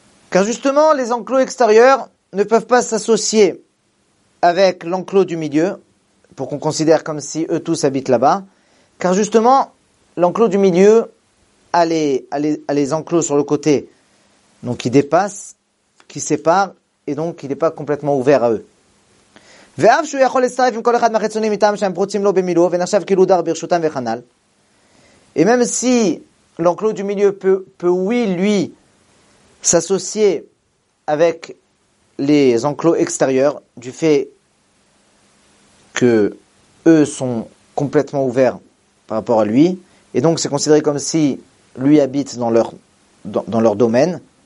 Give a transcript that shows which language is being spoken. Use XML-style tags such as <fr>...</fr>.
<fr>Car justement, les enclos extérieurs ne peuvent pas s'associer avec l'enclos du milieu pour qu'on considère comme si eux tous habitent là-bas. Car justement, l'enclos du milieu a les enclos sur le côté, donc qui dépasse, qui sépare, et donc il n'est pas complètement ouvert à eux.</fr> <he>ואף שהוא יכול להצטרף עם כל אחד מהחיצונים איתם שהם פרוצים לו במילואו ונחשב כאילו דר ברשותם וחנל.</he> <fr>Et même si l'enclos du milieu peut oui, lui, s'associer avec les enclos extérieurs du fait que eux sont complètement ouverts par rapport à lui, et donc c'est considéré comme si lui habite dans leur domaine.</fr>